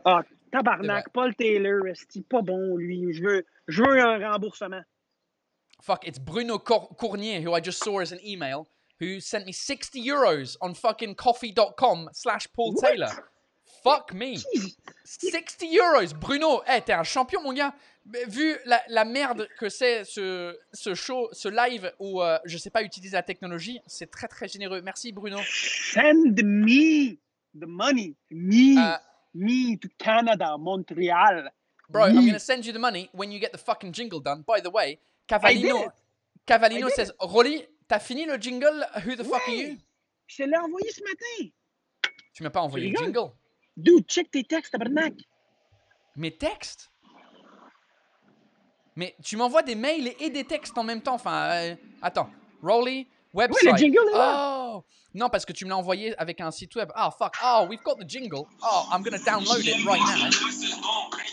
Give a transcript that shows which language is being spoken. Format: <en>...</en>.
<fr>Ah, tabarnak, vrai. Paul Taylor, c'est pas bon, lui. Je veux un remboursement.</fr> <en>Fuck, it's Bruno Cournier, who I just saw as an email, who sent me 60 euros on fucking coffee.com/Paul Taylor. Fuck me.</en> <fr>€60 Bruno, hey, t'es un champion, mon gars. Vu la merde que c'est ce show, ce live où je sais pas utiliser la technologie, c'est très très généreux. Merci, Bruno.</fr> <en>Send me the money. Me to Canada, Montreal. Bro, I'm going to send you the money when you get the fucking jingle done. By the way, Cavallino says, Rolly,</en> <fr>t'as fini le jingle?</fr> <en>Who the fuck are you?</en> <fr>Je l'ai envoyé ce matin. Tu m'as pas envoyé le jingle? Dude, check tes textes, tabarnak. Mes textes? Mais tu m'envoies des mails et des textes en même temps. Enfin, attends. Rolly, website. Oui, le jingle est là. Oh. Non, parce que tu me l'as envoyé avec un site web.</fr> <en>Oh, fuck. Oh, we've got the jingle. Oh, I'm going to download it right now.</en>